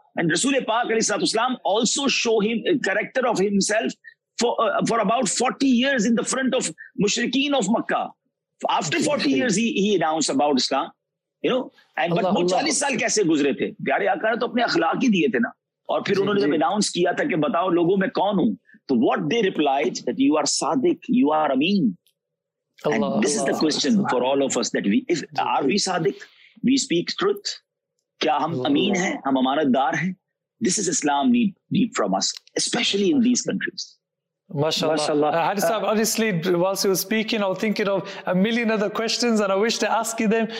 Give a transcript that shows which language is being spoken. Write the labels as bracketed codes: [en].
[en] And Rasool Pak Ali Sallallahu Alaihi Wasallam also show him a character of himself for about 40 years in the front of mushrikeen of Makkah. After 40 years, he announced about Islam. [ur] But 40 سال کیسے گزرے تھے؟ پیارے آقا نے تو اپنے اخلاق ہی دیئے تھے نا. اور پھر انہوں نے جب اناؤنس کیا تھا کہ بتاؤ لوگوں میں کون ہوں, تو [en] what they replied that you are صادق, you are امین. And Allah, this is the question for all of us that are we sadiq, we speak truth, [ur] kya hum ameen hain, hum amanatdar hain? [en] This is Islam need from us, especially in these countries. MashaAllah. Hadi sahab, honestly, whilst you were speaking, I was thinking of a million other questions and I wish to ask you them.